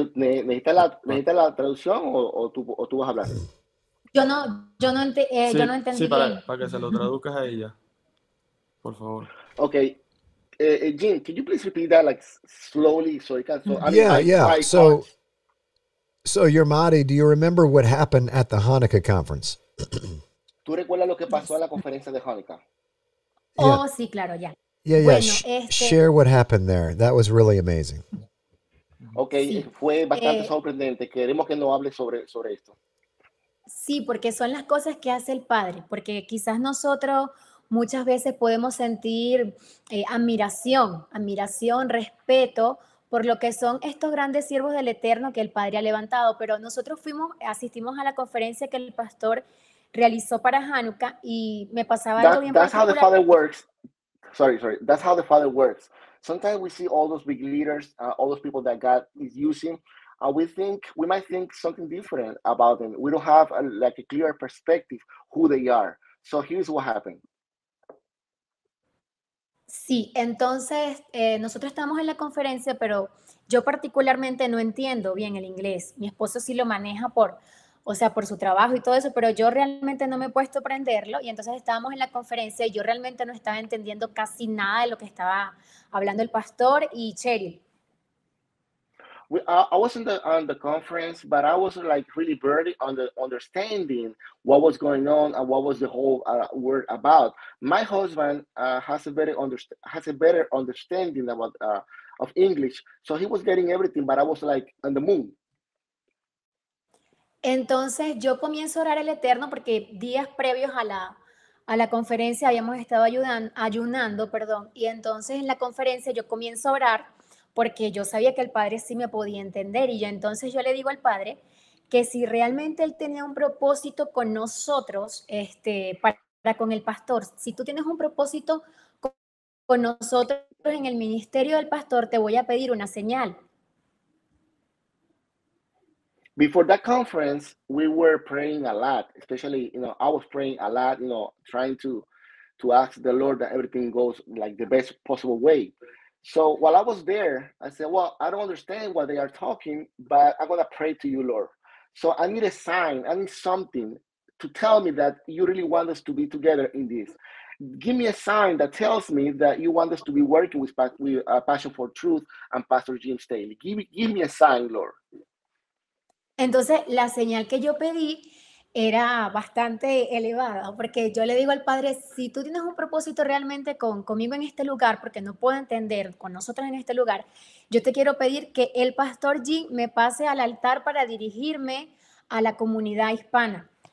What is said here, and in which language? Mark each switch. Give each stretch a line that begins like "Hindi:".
Spanish: ¿Necesitas la traducción o tú vas a hablar? Yo no entendí. Sí, para que se lo traduzcas a ella. Por favor.
English: Okay. Jim, can you please repeat that like slowly so I can... So, Yermadi, do you remember what happened at the Hanukkah conference?
Spanish: ¿Tú recuerdas lo que pasó a la conferencia de Hanukkah?
English: Yeah.
Spanish: Oh, sí, claro, ya.
English: Yeah, yeah.
Spanish: Bueno,
English: share what happened there. That was really amazing.
Spanish: Okay, sí. Fue bastante sorprendente. Queremos que nos hable sobre esto. Sí, porque son las cosas que hace el Padre. Porque quizás nosotros muchas veces podemos sentir admiración, respeto por lo que son estos grandes siervos del Eterno que el Padre ha levantado. Pero nosotros asistimos a la conferencia que el pastor realizó para Hanukkah y me pasaba algo bien particular.
English: That's how the Father works. Sorry. That's how the Father works. Sometimes we see all those big leaders, all those people that God is using, and we might think something different about them. We don't have a clear perspective who they are. So here's what happened.
Spanish: Sí, entonces nosotros estamos en la conferencia, pero yo particularmente no entiendo bien el inglés. Mi esposo sí lo maneja por su trabajo y todo eso, pero yo realmente no me he puesto a aprenderlo y entonces estábamos en la conferencia y yo realmente no estaba entendiendo casi nada de lo que estaba hablando el pastor y Cheryl.
English: I wasn't on the conference, but I was like really barely on the understanding what was going on and what was the whole word about. My husband has a better understanding of English, so he was getting everything, but I was like on the moon. Entonces yo comienzo a orar al Eterno porque días previos a la conferencia habíamos estado ayunando, y entonces en la conferencia yo comienzo a orar porque yo sabía que el Padre sí me podía entender y entonces yo le digo al Padre que si realmente él tenía un propósito con nosotros, para con el pastor, si tú tienes un propósito con nosotros en el ministerio del pastor, te voy a pedir una señal. Before that conference, we were praying a lot, especially, you know, I was praying a lot, you know, trying to ask the Lord that everything goes like the best possible way. So while I was there, I said, well, I don't understand what they are talking, but I'm going to pray to you, Lord. So I need a sign, I need something to tell me that you really want us to be together in this. Give me a sign that tells me that you want us to be working with Passion for Truth and Pastor Jim Staley. Give me a sign, Lord.
Spanish: Entonces, la señal que yo pedí era bastante elevada, porque yo le digo al Padre, si tú tienes un propósito realmente conmigo en este lugar, porque no puedo entender con nosotros en este lugar, yo te quiero pedir que el Pastor Jim me pase al altar para dirigirme a la comunidad hispana.